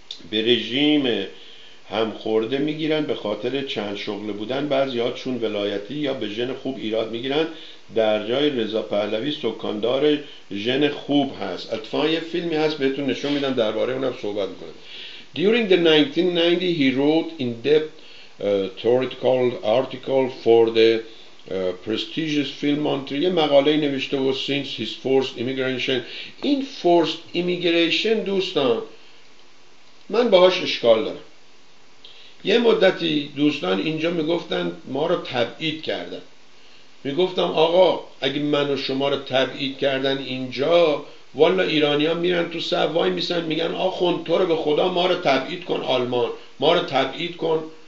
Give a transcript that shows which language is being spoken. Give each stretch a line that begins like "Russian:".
Persian: به رژیم همخورده میگیرن به خاطر چند شغله بودن، بعضی ها چون ولایتی یا به ژن خوب ایراد میگیرن. در جای رضا پهلوی سکاندار ژن خوب هست. اتفاقا یه فیلمی هست بهتون نشون میدم درباره اونم صحبت میکنم.
English: During the 1990 he wrote in depth theoretical article for the prestigious film Montreal.
Persian: یه مقاله نوشته بود
English: since his forced immigration.
Persian: این
English: forced immigration
Persian: دوستان من باهاش اشکال دارم. یه مدتی دوستان اینجا میگفتن ما رو تبعید کردن، میگفتم آقا اگه من و شما رو تبعید کردن اینجا، والا ایرانی ها میرن تو صف وای میسن میگن آخوند تو رو به خدا ما رو تبعید کن آلمان، ما رو تبعید کن.